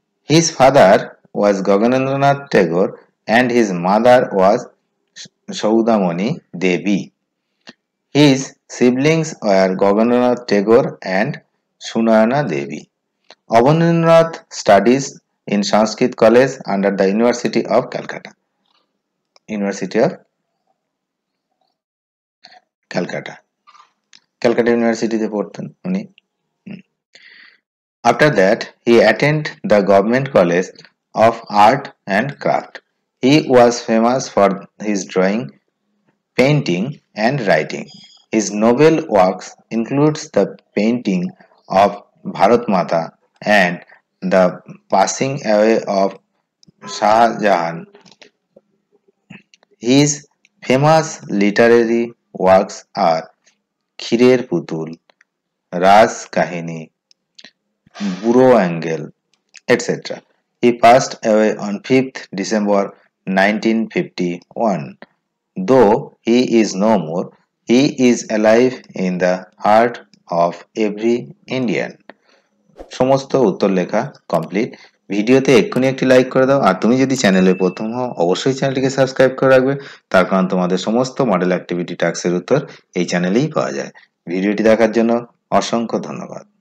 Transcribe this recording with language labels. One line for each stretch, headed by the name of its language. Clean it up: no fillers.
English: His father was Gaganendranath Tagore and his mother was Saudamini Devi, his siblings were Gaganendranath Tagore and Sunayana Devi. Abanindranath studies in Sanskrit college under the university of Calcutta, university of Calcutta, Calcutta ইউনিভার্সিটিতে
Bangla: পড়তেন উনি।
English: After that, he attended the Government College of Art and Craft. He was famous for his drawing, painting, and writing. His Nobel works include the painting of Bharat Mata and the passing away of Shah Jahan. His famous literary works are Khirer Putul, Raj Kahini, Buro Angel, etc. He passed away on 5th December 1951. Though he is no more, he is alive in the heart of every Indian.
Bangla: সমস্ত উত্তর লেখা complete. ভিডিওতে এক্ষুনি একটি like করে দাও, আর তুমি যদি চ্যানেলে প্রথম হও অবশ্যই চ্যানেলটিকে সাবস্ক্রাইব করে রাখবে, তার কারণ তোমাদের সমস্ত মডেল অ্যাক্টিভিটি টাস্কের উত্তর এই চ্যানেলেই পাওয়া যায়। ভিডিওটি দেখার জন্য অসংখ্য ধন্যবাদ।